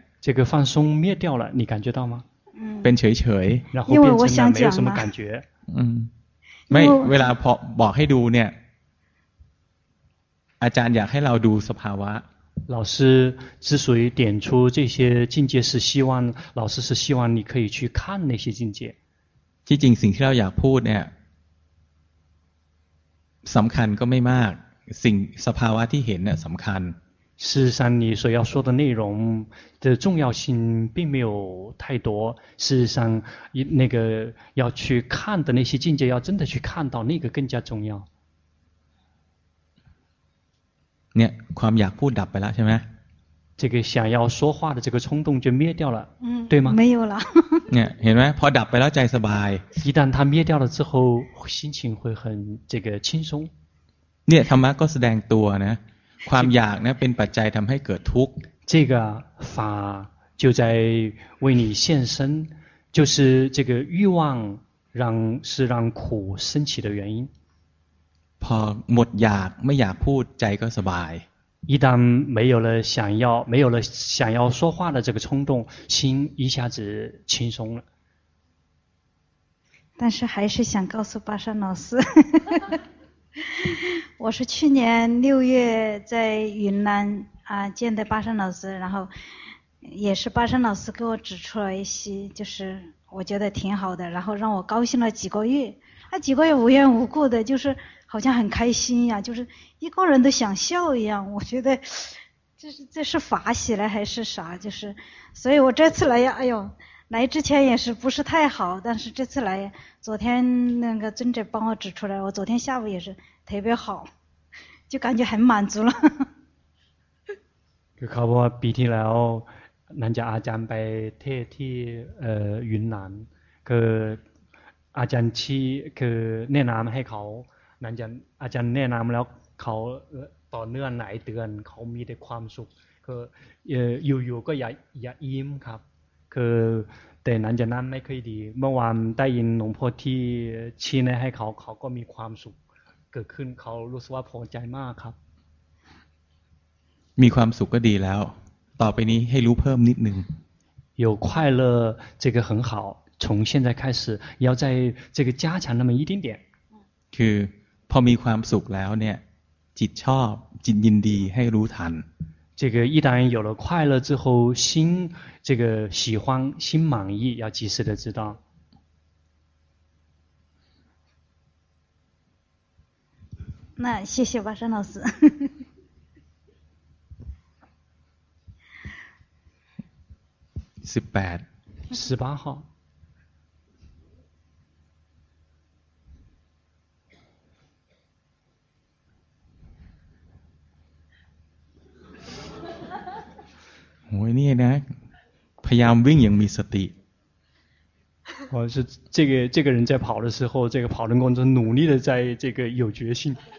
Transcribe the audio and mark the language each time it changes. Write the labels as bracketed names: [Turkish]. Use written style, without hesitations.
[Chinese] 这个放松灭掉了你感觉到吗 [Thai] เป็นเฉยเฉย [Chinese] 然后变成了没有什么感觉 [Thai] ไม่เวลาพอบอกให้ดูเนี่ยอาจารย์อยากให้เราดูสภาวะ [Chinese] 老师之所以点出这些境界是希望老师是希望你可以去看那些境界 [Thai] ที่จริงสิ่งที่เราอยากพูดเนี่ยสำคัญก็ไม่มากสิ่งสภาวะที่เห็นเนี่ยสำคัญ [Chinese] 事实上你所要说的内容的重要性并没有太多事实上那个要去看的那些境界要真的去看到那个更加重要 [Thai] เนี่ยความอยากพูดดับไปแล้วใช่ไหม [Chinese] 这个想要说话的这个冲动就灭掉了对吗没有了 [Thai] เนี่ยเห็นไหมพอดับไปแล้วใจสบาย [Chinese] 一旦它灭掉了之后心情会很这个轻松 [Thai] เนี่ยธรรมะก็แสดงตัวนะความอยากนะเป็นปัจจัยทำให้เกิดทุกข์ [Chinese] 这个法就在为你现身就是这个欲望让是让苦升起的原因 [Thai] พอหมดอยากไม่อยากพูดใจก็สบาย [Chinese] 一旦没有了想要说话的这个冲动心一下子轻松了但是还是想告诉巴山老师我是去年六月在云南啊见的巴山老师然后也是巴山老师给我指出了一些就是我觉得挺好的然后让我高兴了几个月那几个月无缘无故的就是好像很开心呀就是一个人都想笑一样我觉得这是法喜来还是啥就是所以我这次来呀哎呦来之前也是不是太好但是这次来昨天那个尊者帮我指出来我昨天下午也是特别好就感觉很满足了 [Thai] คือเขาบอกว่าปีที่แล้วนั่นจะอาจารย์ไปเทศที่云南คืออาจารย์ชี้คือแนะนำให้เขานั่นจะอาจารย์แนะนำแล้วเขาต่อเนื่องหลายเดือนเขามีแต่ความสุขคืออยู่ๆก็อย่าอิ่มครับคือแต่นั้นจะนั่นไม่ค่อยดีเมื่อวานได้ยินหลวงพ่อที่ชี้แนะให้เขาก็มีความสุขเกิดขึ้นเขารู้สึกว่าพอใจมากครับ มีความสุขก็ดีแล้วต่อไปนี้ให้รู้เพิ่มนิดนึง [Chinese] 有快乐这个很好从现在开始要再这个加强那么一点点 [Thai] คือพอมีความสุขแล้วเนี่ยจิตชอบจิตยินดีให้รู้ทัน [Chinese] 这个一旦有了快乐之后心这个喜欢心满意要及时的知道那谢谢巴山老师 18 18号我那天呢 [Thai] พยายามวิ่งอย่างมีสติ [Chinese] 我是这个人在跑的时候这个跑的过程中努力的在这个有决心